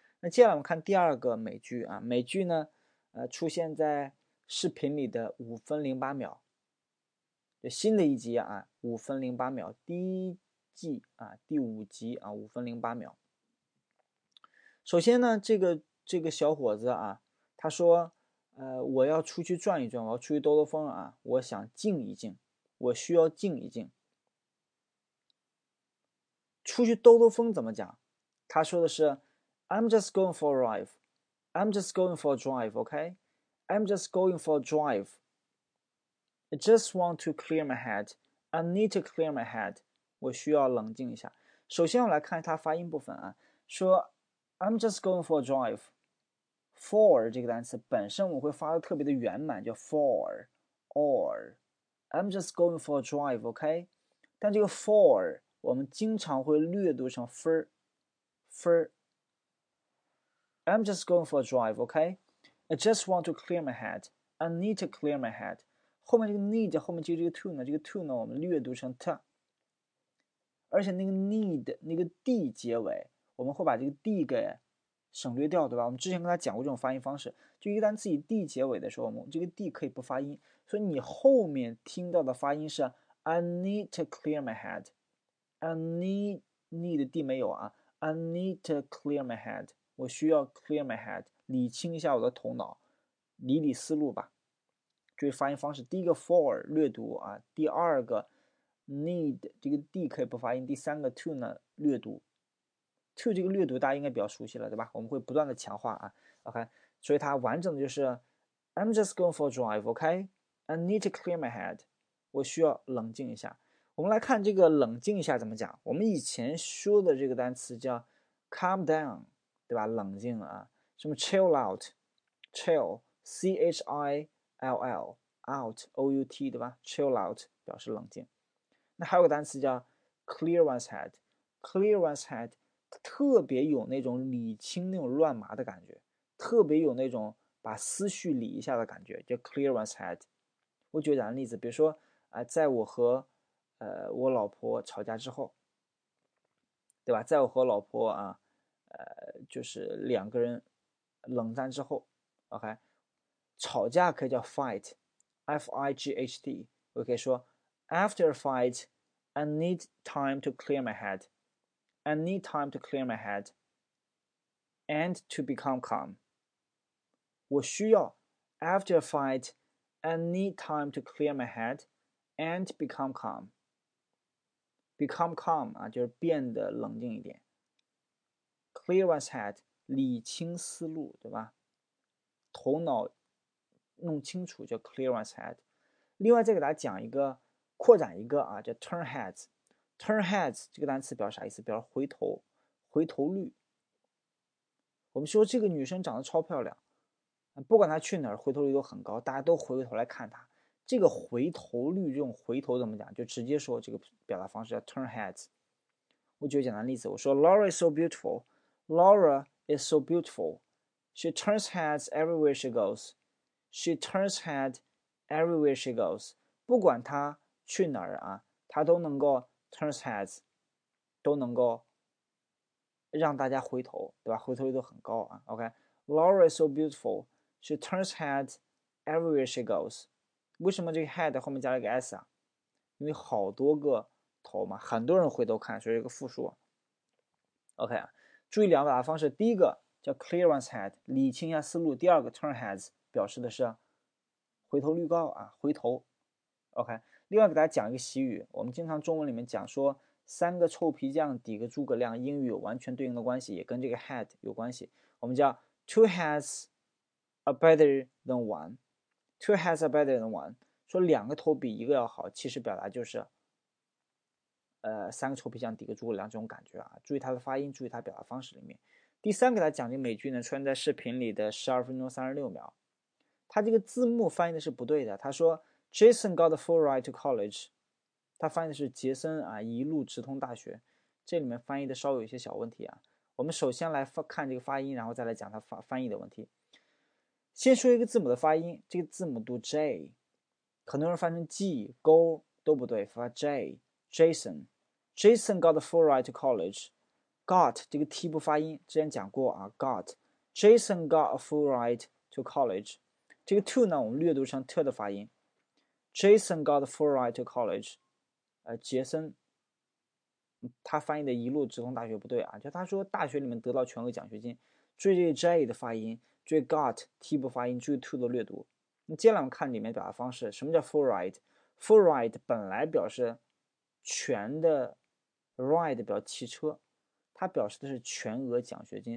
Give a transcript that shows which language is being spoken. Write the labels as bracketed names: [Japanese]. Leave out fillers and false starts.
[Chinese] 那接下来我们看第二个美句啊，美句呢出现在视频里的5分08秒，就新的一集啊，5分08秒，第一季啊，第五集啊，5分08秒。首先呢，这个小伙子啊，他说我要出去转一转，我要出去兜兜风啊，我想静一静，我需要静一静。出去兜兜风怎么讲？他说的是 [English] I'm just going for a drive. I'm just going for a drive, okay? I'm just going for a drive. I just want to clear my head. I need to clear my head. [Chinese] 我需要冷静一下。首先我来看他发音部分啊，说 [English] I'm just going for a drive. [Chinese] For 这个单词本身我会发的特别的圆满，叫 for or [English] I'm just going for a drive, okay? [Chinese] 但这个 for我们经常会略读成 for [English] I'm just going for a drive, okay? I just want to clear my head. I need to clear my head. [Chinese] 后面这个 need 后面接这个 to 呢，这个 to 呢我们略读成 t， 而且那个 need 那个 d 结尾我们会把这个 d 给省略掉，对吧？我们之前跟他讲过这种发音方式，就一个单词以 d 结尾的时候，我们这个 d 可以不发音，所以你后面听到的发音是 [English] I need to clear my head。 [Chinese] I need 的 D 没有啊 ， [English] I need to clear my head， [Chinese] 我需要 clear my head， 理清一下我的头脑，理理思路吧。注意发音方式，第一个 for 略读啊，第二个 need 这个 D 可以不发音，第三个 to 呢略读 ，to 这个略读大家应该比较熟悉了，对吧？我们会不断的强化啊 ，OK， 所以它完整的就是 [English] I'm just going for a drive， [Chinese] OK， [English] I need to clear my head， [Chinese] 我需要冷静一下。我们来看这个冷静一下怎么讲，我们以前说的这个单词叫 calm down， 对吧，冷静啊，什么 chill out， chill C-H-I-L-L out O-U-T 对吧， chill out 表示冷静。那还有个单词叫 clear one's head， clear one's head 特别有那种理清那种乱麻的感觉，特别有那种把思绪理一下的感觉，叫 clear one's head。我举两个例子，比如说在我和我老婆吵架之后，对吧，在我和老婆啊就是两个人冷战之后， OK， 吵架可以叫 fight， F-I-G-H-T， 我可以说 [English] after a fight I need time to clear my head， [Chinese] I need time to clear my head [English] and to become calm， 我需要 after a fight I need time to clear my head and become calmBecome calm 啊， [Chinese] 就是变得冷静一点。 Clear one's head， 理清思路，对吧？头脑弄清楚叫 clear one's head。另外再给大家讲一个，扩展一个啊，叫 turn heads。 Turn heads 这个单词表示啥意思？表示回头，回头率。我们说这个女生长得超漂亮，不管她去哪儿，回头率都很高，大家都回过头来看她。这个回头率，这种回头怎么讲，就直接说这个表达方式叫 turn heads。 [English] 我举个简单例子，我说 Laura is so beautiful， Laura is so beautiful， she turns heads everywhere she goes， she turns head everywhere she goes， [Chinese] 不管她去哪儿啊，她都能够 [English] turns heads， [Chinese] 都能够让大家回头，对吧？回头率都很高啊。 [English] OK， Laura is so beautiful， she turns head everywhere she goes。 [Chinese] 为什么这个 head 后面加了一个 s 啊？因为好多个头嘛，很多人回头看，所以一个复数。 OK， 注意两个表达方式，第一个叫 clear one's head， 理清一下思路；第二个 turn heads， 表示的是回头率高啊，回头。 OK， 另外给大家讲一个习语，我们经常中文里面讲说三个臭皮匠抵个诸葛亮，英语有完全对应的关系，也跟这个 head 有关系。我们叫 [English] two heads are better than one。 Two heads are better than one， [Chinese] 说两个头比一个要好，其实表达就是三个臭皮匠抵个诸葛亮这种感觉啊。注意它的发音，注意它表达方式里面。第三个给大家讲的美句呢，出现在视频里的12分钟36秒，它这个字幕翻译的是不对的，它说 [English] Jason got a full ride to college， [Chinese] 它翻译的是杰森啊一路直通大学，这里面翻译的稍微有一些小问题啊。我们首先来看这个发音，然后再来讲它翻译的问题。先说一个字母的发音，这个字母读 J， 很多人翻成 G、G 都不对，发 J。 [English] Jason， Jason got a full ride to college。 [Chinese] Got 这个 T 不发音，之前讲过啊。 [English] Got， Jason got a full ride to college。 [Chinese] 这个 to 呢，我们略读成 t 的发音。 [English] Jason got a full ride to college。 [Chinese] 杰森，他翻译的一路直通大学不对啊，就他说大学里面得到全额奖学金。注意这个 J 的发音。注意 got T 不发音，注意 to 的略读。那接下来我们看里面表达方式，什么叫 full ride？ Full ride 本来表示全的， ride 表骑车，它表示的是全额奖学金。